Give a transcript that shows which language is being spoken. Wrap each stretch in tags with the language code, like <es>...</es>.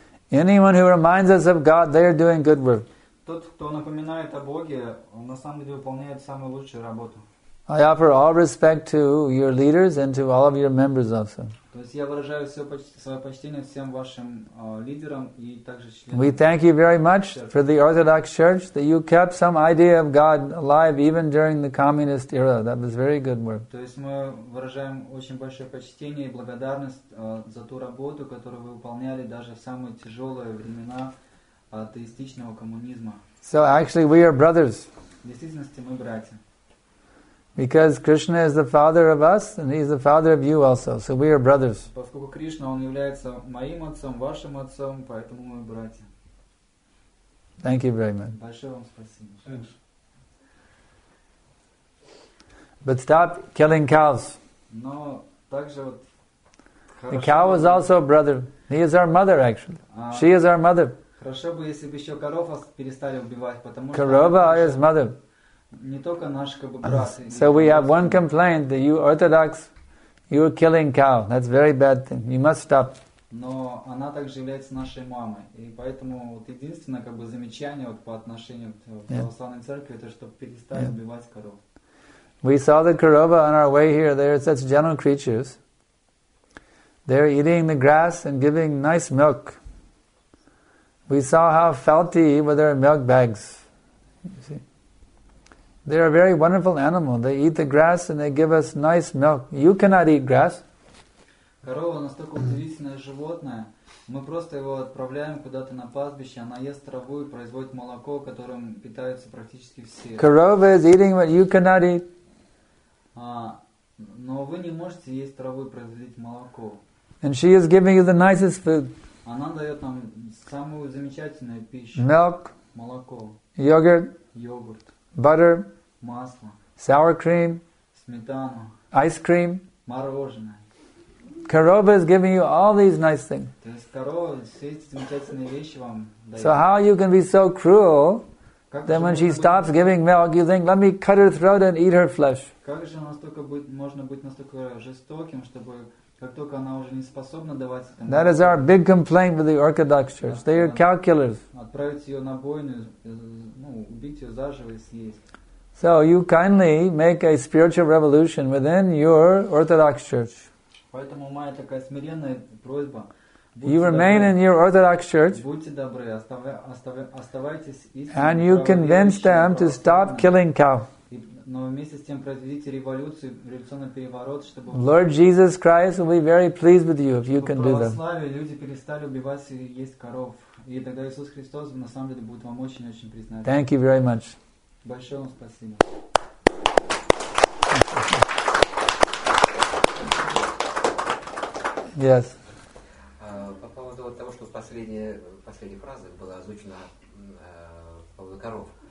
<en>Anyone who reminds us of God, they are doing good work.</en> <ru>Тот, кто напоминает о Боге, он на самом деле выполняет самую лучшую работу.</ru> <en>I offer all respect to your leaders and to all of your members also.</en> <ru>То есть я выражаю свое почтение всем вашим лидерам и также членам.</ru> <en>We thank you very much for the Orthodox Church that you kept some idea of God alive even during the communist era. That was very good work.</en> <ru>То есть мы выражаем очень большое почтение и благодарность за ту работу, которую вы выполняли даже в самые тяжелые времена атеистичного коммунизма.</ru> <en>So actually we are brothers.</en> <ru>В действительности мы братья.</ru> <en>Because Krishna is the father of us, and he's the father of you also. So we are brothers.</en> <ru>Поскольку Кришна, он является моим отцом, вашим отцом, поэтому мы братья.</ru> <en>Thank you very much.</en> <ru>Большое вам спасибо.</ru> <en>Thanks. But stop killing cows.</en> <ru>Но также вот.</ru> <en>The cow is also a brother. He is our mother, actually. She is our mother.</en> <ru>Хорошо бы, если бы еще коров перестали убивать, потому что.</ru> <en>Корова is mother.</en> <ru>Не только наш, как бы, брат.</ru> <en>So we have one complaint that you Orthodox, you are killing cow. That's very bad thing. You must stop.</en> <ru>Но она также является нашей мамой, и поэтому вот единственное, как бы, замечание вот по отношению к православной церкви, это чтобы перестать убивать коров.</ru> <en>We saw the korova on our way here. They are such gentle creatures. They are eating the grass and giving nice milk. We saw how felty were their milk bags. You see. They are a very wonderful animal. They eat the grass and they give us nice milk. You cannot eat grass.</en> <ru>Корова настолько удивительное животное. Мы просто его отправляем куда-то на пастбище. Она ест траву и производит молоко, которым питаются практически все.</ru> <en>Корова is eating what you cannot eat.</en> <ru>Но вы не можете есть траву и производить молоко.</ru> <en>And she is giving you the nicest food.</en> <ru>Она дает нам самую замечательную пищу.</ru> <en>Milk.</en> <ru>Молоко. Йогурт. Йогурт.</ru> <en>Butter,</en> <ru>масло,</ru> <en>sour cream,</en> <ru>сметану,</ru> <en>ice cream,</en> <ru>мороженое.</ru> <en>Корова is giving you all these nice things.</en> <ru>То есть корова все эти замечательные вещи вам дает.</ru> <en>So how you can be so cruel? Then when she stops giving milk, you think, let me cut her throat and eat her flesh.</en> <ru>Как же настолько можно быть настолько жестоким, чтобы как только она уже не способна давать.</ru> <en>That is our big complaint with the Orthodox Church. They are cow killers.</en> <ru>Отправить ее на бойню, ну, убить ее заживо и съесть.</ru> <en>So you kindly make a spiritual revolution within your Orthodox Church.</en> <ru>Поэтому моя такая смиренная просьба.</ru> <en>You remain in your Orthodox Church.</en> <ru>Будьте добры, оставайтесь истинно.</ru> <en>And you convince them to stop killing cow.</en> <ru>Но вместе с тем произведите революцию, революционный переворот, чтобы.</ru> <en>Lord Jesus Christ will be very pleased with you if you can do that.</en> <ru>Православие, люди перестали убивать и есть коров, и тогда Иисус Христос на самом деле будет вам очень-очень признателен.</ru> <en>Thank you very much.</en> <ru>Большое вам спасибо.</ru> <en>Yes.</en> <ru>По поводу того, что последняя фраза была озвучена по поводу коров.</ru>